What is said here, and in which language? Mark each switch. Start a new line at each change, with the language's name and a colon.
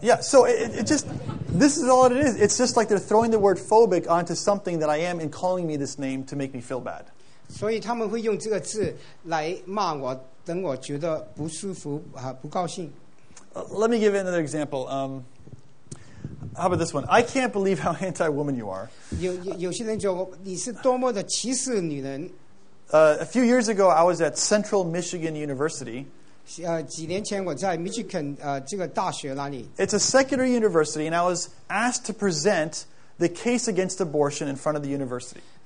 English: Yeah, so it just, this is all it is. It's just like they're throwing the word phobic onto something that I am and calling me this name to make me feel bad.
Chinese: 所以他们会用这个字来骂我，等我觉得不舒服，不高兴。
English: Let me give another example. How about this one? I can't believe how anti-woman you are.
Chinese: 有些人说你是多么的歧视女人。
English: A few years ago, I was at Central Michigan University.
Chinese: 几年前我在 Michigan 这个大学那里。
English: It's a secular university, and I was asked to present the case against abortion in front of the university.